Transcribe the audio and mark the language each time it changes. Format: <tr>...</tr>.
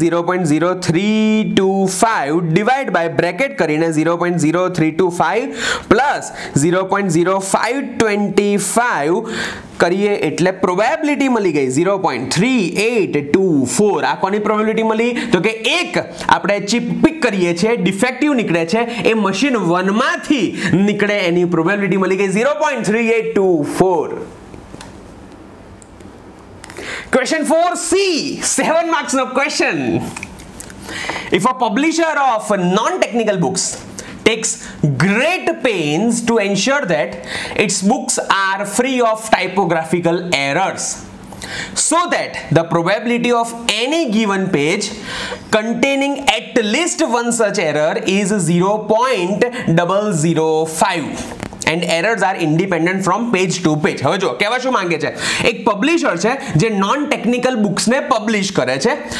<gu>0.0325 divide by bracket કરીને 0.0325 plus 0.0525 કરીએ એટલે પ્રોબેબિલિટી મળી ગઈ 0.3824. આ કોની પ્રોબેબિલિટી મળી? તો કે એક આપણે ચિપ પિક કરીએ છીએ ડિફેક્ટિવ નીકળે છે એ મશીન 1 માંથી નીકળે એની પ્રોબેબિલિટી મળી ગઈ 0.3824.</gu> <en>Question 4C, 7 marks of question. If a publisher of non-technical books takes great pains to ensure that its books are free of typographical errors, so that the probability of any given page containing at least one such error is 0.005. And errors are independent from page to page.</en> <gu>હવે જો કહેવા શું માંગે છે, એક publisher છે જે non technical બુક્સને publish કરે છે.</gu>